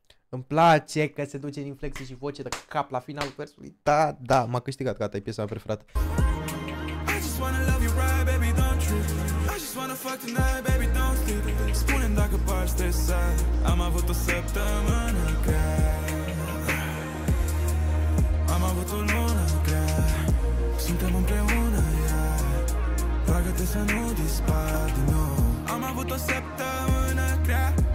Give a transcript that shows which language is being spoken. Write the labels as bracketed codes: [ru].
[ro] Îmi place că se duce din flexii și voce de cap la finalul versului. Da, da, m-a câștigat, gata, e piesa mea preferată. [en] I just wanna love you right, baby, don't trip. I just wanna fuck tonight, baby, don't sleep. [ro] Spune-mi dacă pari de sad. Am avut o săptămână grea. Am avut o lună grea. Suntem împreună, yeah. Roagă-te să nu dispar din nou. Am avut o săptămână grea.